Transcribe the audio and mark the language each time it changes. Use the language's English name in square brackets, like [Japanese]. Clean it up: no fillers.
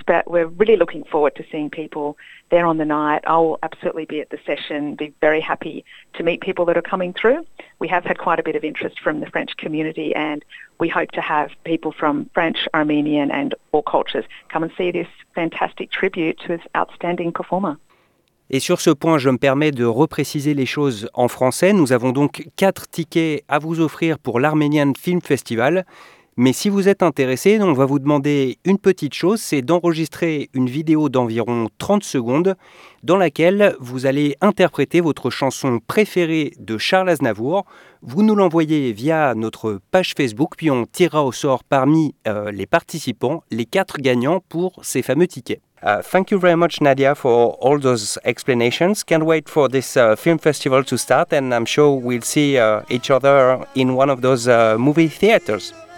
[English] But we're really looking forward to seeing people there on the night. I will absolutely be at the session, be very happy to meet people that are coming through. We have had quite a bit of interest from the French community, and we hope to have people from French, Armenian and all cultures come and see this fantastic tribute to this outstanding performer. [French] Et sur ce point, je me permets de repréciser les choses en français. Nous avons donc 4 tickets à vous offrir pour l'Armenian Film Festival. Mais si vous êtes intéressé, on va vous demander une petite chose, c'est d'enregistrer une vidéo d'environ 30 secondes dans laquelle vous allez interpréter votre chanson préférée de Charles Aznavour. Vous nous l'envoyez via notre page Facebook, puis on tirera au sort parmi les participants, les 4 gagnants pour ces fameux tickets. [English] Thank you very much, Nadia, for all those explanations. Can't wait for this film festival to start, and I'm sure we'll see each other in one of those movie theaters.